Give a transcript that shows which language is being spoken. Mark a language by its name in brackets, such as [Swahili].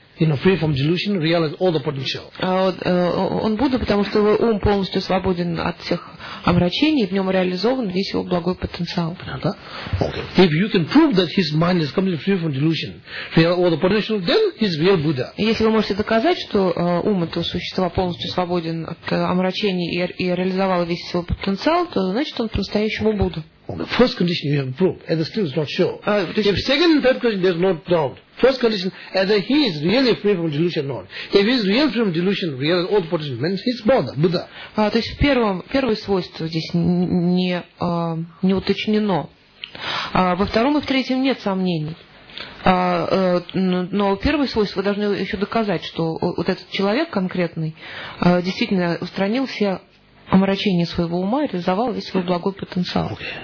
[English] you know, free from delusion, realize all the potential. [Russian] Он Будда, потому что его ум полностью свободен от всех омрачений, в нем реализован весь его благой потенциал. Понятно? Okay. [English] If you can prove that his mind is completely free from delusion, realize all the potential, then he's real Buddha. [Russian] Если вы можете доказать, что ум этого существа полностью свободен от омрачений и реализовал весь свой потенциал, то значит он по-настоящему Будда. [English] Well, first condition you have proved, and still is not sure. If second and third condition, there is no doubt. First condition, either he is really free from delusion or not. If he is really free from delusion, real all the potential, then he is Buddha. Buddha. [Russian] То есть первое свойство здесь не уточнено. Во втором и в третьем нет сомнений. Но первое свойство вы должны еще доказать, что вот этот человек конкретный действительно устранил все омрачение своего ума, реализовал весь свой благой потенциал.